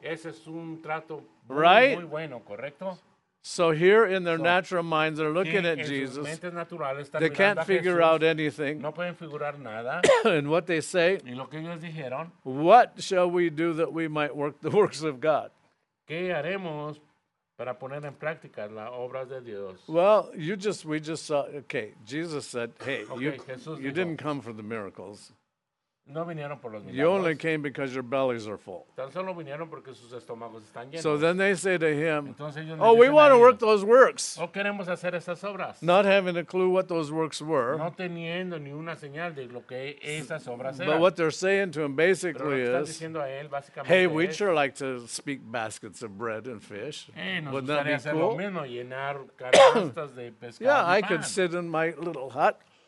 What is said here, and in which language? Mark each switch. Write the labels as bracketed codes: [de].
[es] Ese es un trato [en] right? [es] Muy bueno, correcto? [en] So here in their natural minds, they're looking at Jesus. They can't figure out anything. [es] No pueden figurar nada. [en] And what they say, [es] y lo que ellos dijeron, [en] what shall we do that we might work the works of God? [es] ¿Qué haremos para poner en práctica las obras de Dios? [en] Well, we just saw, Jesus said, hey, you didn't come for the miracles. [es] No vinieron por los milagros. [en] You only came because your bellies are full. [es] Tan solo vinieron porque sus estómagos están llenos. [en] So then they say to him, [es] entonces ellos [en] we want to work those works. [es] O queremos hacer esas obras. [en] Not having a clue what those works were. [es] No teniendo ni una señal de lo que esas obras eran. [en] But what they're saying to him basically is, hey, we'd sure like to speak baskets of bread and fish. Wouldn't that be cool? [es] Nos gustaría hacer lo mismo, llenar canastas de pescado. [en] Yeah, I could sit in my little hut.